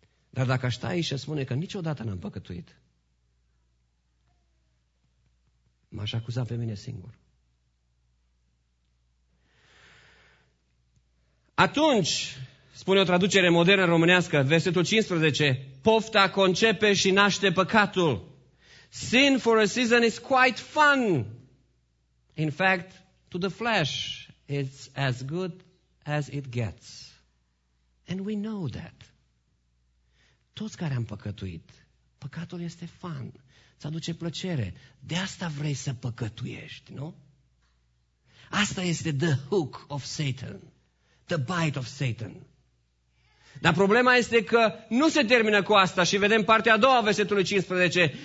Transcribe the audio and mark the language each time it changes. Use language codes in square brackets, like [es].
[ro] Dar dacă aș sta aici și spune că niciodată n-am păcătuit, m-aș acuza pe mine singur. Atunci, spune o traducere modernă românească, versetul 15, pofta concepe și naște păcatul. [en] Sin for a season is quite fun. In fact, to the flesh, it's as good as it gets. And we know that. [ro] Toți care am păcătuit, păcatul este fun, îți aduce plăcere. De asta vrei să păcătuiești, nu? Asta este [en] the hook of Satan, [ro] the bite of Satan. Dar problema este că nu se termină cu asta și vedem partea a doua a versetului 15.